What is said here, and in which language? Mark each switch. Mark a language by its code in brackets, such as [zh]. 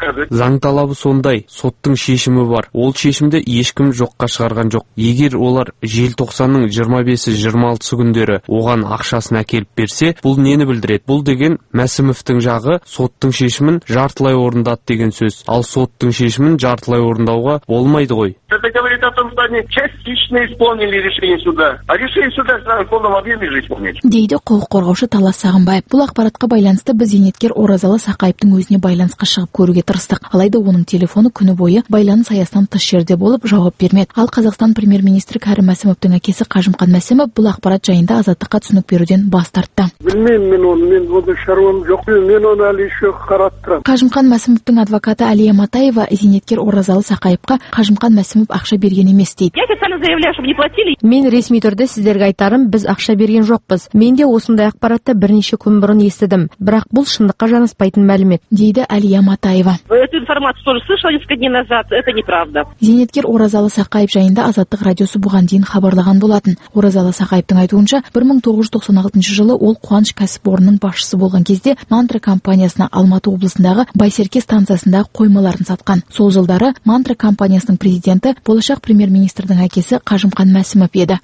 [kk] Заң талабы сондай, соттың шешімі бар. Ол шешімді ешкім жоққа шығарған жоқ. Егер олар 90-ның 25-26 күндері оған ақшасын әкеліп берсе, бұл нені білдіреді? Бұл деген Мәсімовтің жағы соттың шешімін жартылай орындады деген сөз. Ал соттың шешімін жартылай орындауға болмайды ғой. [ru] Это говорит о том, что они частично исполнили решение суда. А решение суда в полном объеме же исполнить. [kk] Дейді құқық қорғаушы Талас Сағынбаев. Бұл ақпаратқа байланысты біз зейнеткер Оразалы Сақаевтың өзіне байланысқа шығып көруге тырыстық. Алайда оның телефоны күні бойы байланыс аясынан тыс жерде болып, жауап бермеді. Ал Қазақстан премьер-министрі Кәрім Мәсімовтің әкесі Қажымқан Мәсімов бұл ақпарат жайында Азаттыққа түсінік беруден бас тартты. Білмеймін мен оны, мен оны шаруам жоқ. Мен оны әлі еще қараттырам. Қажымқан Мәсімовтің адвокаты Алия Матаева зейнеткер Оразалы Сақаевқа Қажымқан Мәсімов ақша берген емес дейді. [ru] Я официально заявляю, чтобы не платили. [kk] Мен ресми түрде сіздерге айтарым, біз ақша берген жоқпыз. Мен де осындай ақпаратты бірнеше күн бұрын естідім, бірақ бұл шындыққа жанаспайтын мәлімет, дейді Алия Матаева. [ru] Эту информацию тоже слышала несколько дней назад, это неправда. [kk] Зейнеткер Оразалы Сақаев жайында Азаттық радиосы бұған дейін хабарлаған болатын. Оразалы Сақаевтың айтуынша, 1996 жылы ол Қуаныш кәсіпорнының басшысы болған кезде Мантра компаниясына Алматы облысындағы Байсерке станциясындағы қоймаларын сатқан. Сол жылдары Мантра компаниясының президенті болашақ премьер-министрдің әкесі Қажымқан Мәсімов еді.